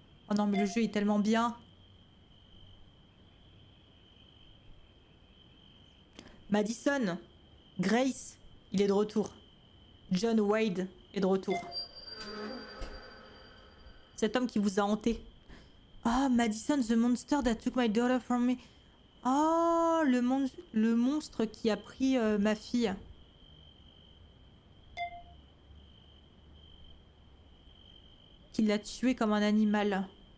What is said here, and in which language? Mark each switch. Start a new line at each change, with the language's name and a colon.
French: Oh non mais le jeu est tellement bien. Madison, Grace, il est de retour. John Wade est de retour. Cet homme qui vous a hanté.
English: Oh, Madison, the monster that took my daughter from me.
French: Oh, le monstre qui a pris ma fille. Qui l'a tué comme un animal.